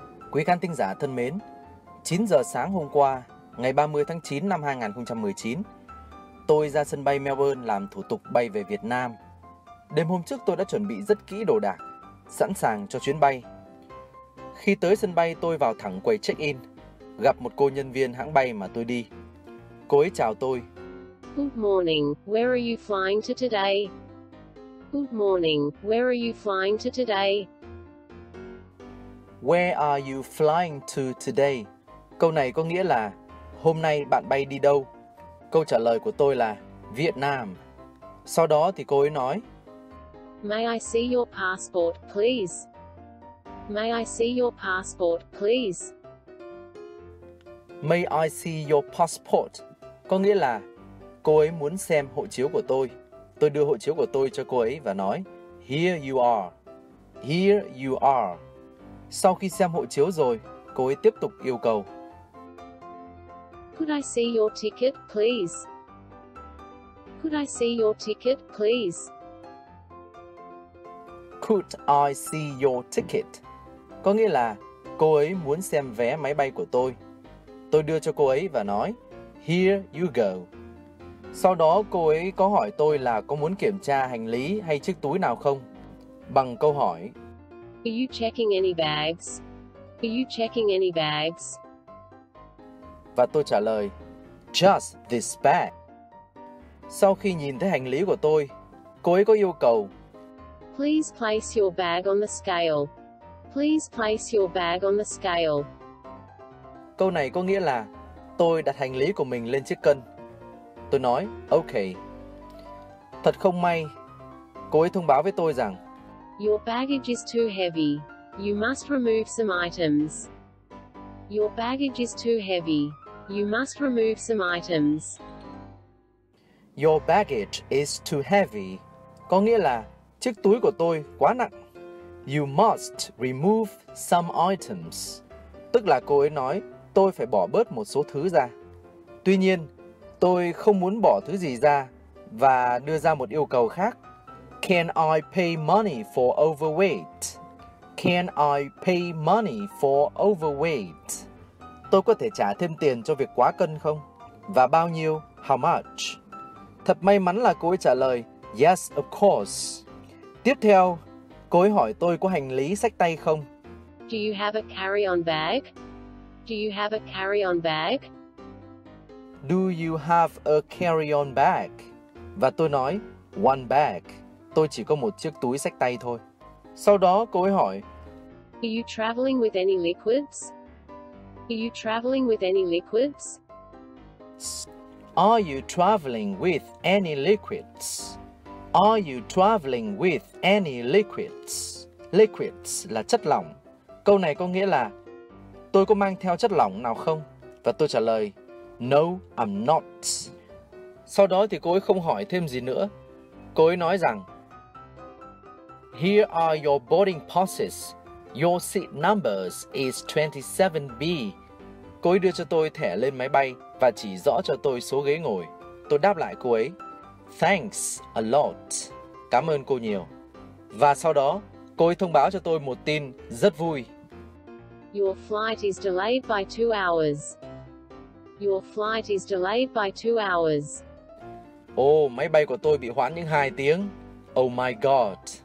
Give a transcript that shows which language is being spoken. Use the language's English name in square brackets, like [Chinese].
[Vietnamese] Quý khán thính giả thân mến, 9 giờ sáng hôm qua, ngày 30 tháng 9 năm 2019, tôi ra sân bay Melbourne làm thủ tục bay về Việt Nam. Đêm hôm trước tôi đã chuẩn bị rất kỹ đồ đạc, sẵn sàng cho chuyến bay. Khi tới sân bay tôi vào thẳng quầy check-in, gặp một cô nhân viên hãng bay mà tôi đi. Cô ấy chào tôi. [English] Good morning, where are you flying to today? Good morning, where are you flying to today? Where are you flying to today? [Vietnamese] Câu này có nghĩa là hôm nay bạn bay đi đâu? Câu trả lời của tôi là Việt Nam. Sau đó thì cô ấy nói [English] May I see your passport, please? May I see your passport, please? May I see your passport? [Vietnamese] Có nghĩa là cô ấy muốn xem hộ chiếu của tôi. Tôi đưa hộ chiếu của tôi cho cô ấy và nói [English] Here you are. Here you are. [Vietnamese] Sau khi xem hộ chiếu rồi, cô ấy tiếp tục yêu cầu [English] Could I see your ticket, please? Could I see your ticket, please? Could I see your ticket? [Vietnamese] Có nghĩa là cô ấy muốn xem vé máy bay của tôi. Tôi đưa cho cô ấy và nói [English] Here you go. [Vietnamese] Sau đó cô ấy có hỏi tôi là có muốn kiểm tra hành lý hay chiếc túi nào không? Bằng câu hỏi [English] Are you checking any bags? Are you checking any bags? [Vietnamese] Và tôi trả lời [English] Just this bag. [Vietnamese] Sau khi nhìn thấy hành lý của tôi, cô ấy có yêu cầu [English] Please place your bag on the scale. Please place your bag on the scale. [Vietnamese] Câu này có nghĩa là tôi đặt hành lý của mình lên chiếc cân. Tôi nói OK. Thật không may, cô ấy thông báo với tôi rằng [English] Your baggage is too heavy. You must remove some items. Your baggage is too heavy. You must remove some items. Your baggage is too heavy. [Vietnamese] Có nghĩa là chiếc túi của tôi quá nặng. [English] You must remove some items. [Vietnamese] Tức là cô ấy nói tôi phải bỏ bớt một số thứ ra. Tuy nhiên, tôi không muốn bỏ thứ gì ra và đưa ra một yêu cầu khác. [English] Can I pay money for overweight? Can I pay money for overweight? [Vietnamese] Tôi có thể trả thêm tiền cho việc quá cân không? Và bao nhiêu? [English] How much? [Vietnamese] Thật may mắn là cô ấy trả lời [English] Yes, of course. [Vietnamese] Tiếp theo, cô ấy hỏi tôi có hành lý xách tay không? [English] Do you have a carry-on bag? Do you have a carry-on bag? Do you have a carry-on bag? [Vietnamese] Và tôi nói, [English] one bag. [Vietnamese] Tôi chỉ có một chiếc túi xách tay thôi. Sau đó cô ấy hỏi, [English] Are you traveling with any liquids? Are you traveling with any liquids? Are you traveling with any liquids? Are you traveling with any liquids? [Vietnamese] Liquids là chất lỏng. Câu này có nghĩa là, tôi có mang theo chất lỏng nào không? Và tôi trả lời, [English] No, I'm not. [Vietnamese] Sau đó thì cô ấy không hỏi thêm gì nữa. Cô ấy nói rằng [English] Here are your boarding passes. Your seat numbers is 27B. [Vietnamese] Cô ấy đưa cho tôi thẻ lên máy bay và chỉ rõ cho tôi số ghế ngồi. Tôi đáp lại cô ấy [English] Thanks a lot. [Vietnamese] Cảm ơn cô nhiều. Và sau đó, cô ấy thông báo cho tôi một tin rất vui. [English] Your flight is delayed by 2 hours. Your flight is delayed by 2 hours. [Vietnamese] Oh, máy bay của tôi bị hoãn những 2 tiếng. [English] Oh my god.